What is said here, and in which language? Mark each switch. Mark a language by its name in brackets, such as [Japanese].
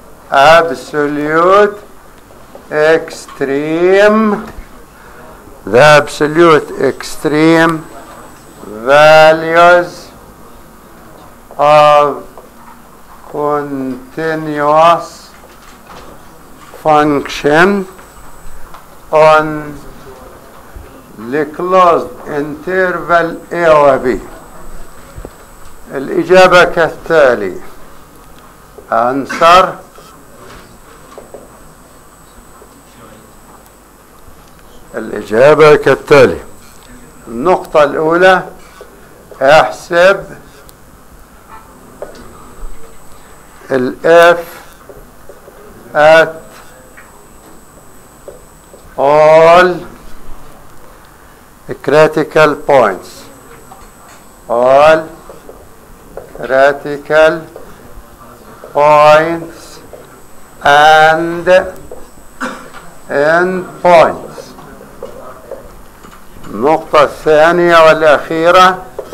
[English] absolute extreme the absolute extreme values of continuous function on the closed interval A و B. [Arabic] الإجابة كالتالي answer الإجابة كالتالي. النقطة الأولى احسب الاف [English] at all critical points. All critical points and end points. [Arabic] النقطة الثانية والأخيرة.